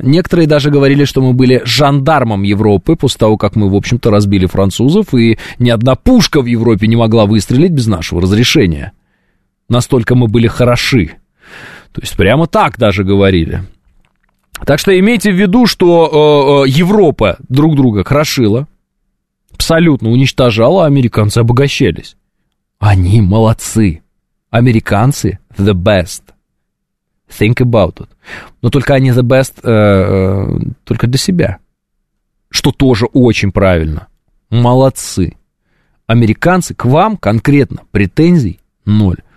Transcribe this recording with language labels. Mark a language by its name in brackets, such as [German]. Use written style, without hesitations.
[Russian] Некоторые даже говорили, что мы были жандармом Европы после того, как мы, в общем-то, разбили французов, и ни одна пушка в Европе не могла выстрелить без нашего разрешения. Настолько мы были хороши. То есть прямо так даже говорили. Так что имейте в виду, что Европа друг друга крошила, абсолютно уничтожала, а американцы обогащались. Они молодцы. Американцы [English] the best. Think about it. [Russian] Но только они [English] the best [Russian] только для себя. Что тоже очень правильно. Молодцы. Американцы, к вам конкретно претензий ноль.